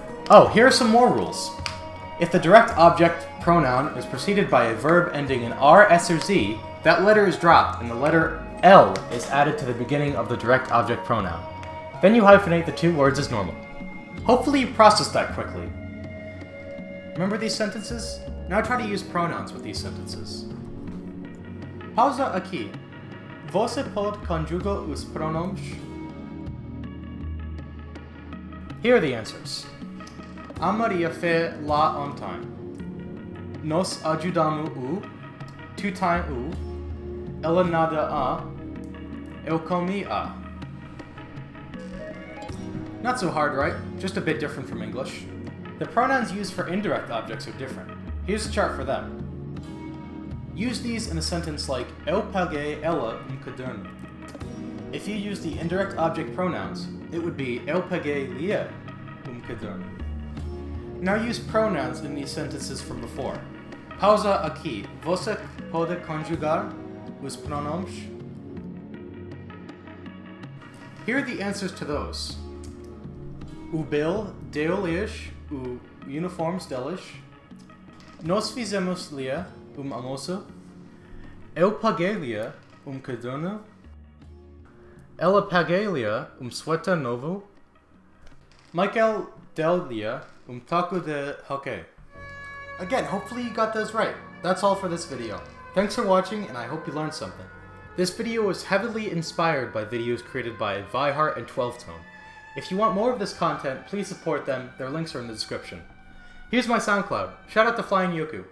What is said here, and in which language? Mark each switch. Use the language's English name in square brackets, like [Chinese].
[English] Oh, here are some more rules. If the direct object pronoun is preceded by a verb ending in R, S, or Z, that letter is dropped and the letter L is added to the beginning of the direct object pronoun. Then you hyphenate the two words as normal. Hopefully you process that quickly. Remember these sentences? Now try to use pronouns with these sentences. [Portuguese] Pausa aqui. Você pode conjugar os pronomes? [English] Here are the answers. [Portuguese] A Maria fez lá ontem. Nós ajudamos o. Tu tem o. Ela nada a. Eu comi a. [English] Not so hard, right? Just a bit different from English. The pronouns used for indirect objects are different. Here's a chart for them. Use these in a sentence like [Portuguese] Eu paguei ela um caderno. [English] If you use the indirect object pronouns, it would be [Portuguese] Eu paguei lhe um caderno. [English] Now use pronouns in these sentences from before. [Portuguese] Pausa aqui. Você pode conjugar os pronomes? [English] Here are the answers to those. [Portuguese] O Bill deu-lhes o uniformes deles. Nós fizemos-lhe almoço. Eu paguei-lhe caderno. Ela paguei-lhe suéter novo. Michael deu-lhe taco de hockey. [English] Again, hopefully you got those right. That's all for this video. Thanks for watching, and I hope you learned something. This video was heavily inspired by videos created by Vihart and 12tone. If you want more of this content, please support them. Their links are in the description. Here's my SoundCloud. Shout out to Flying Yoku.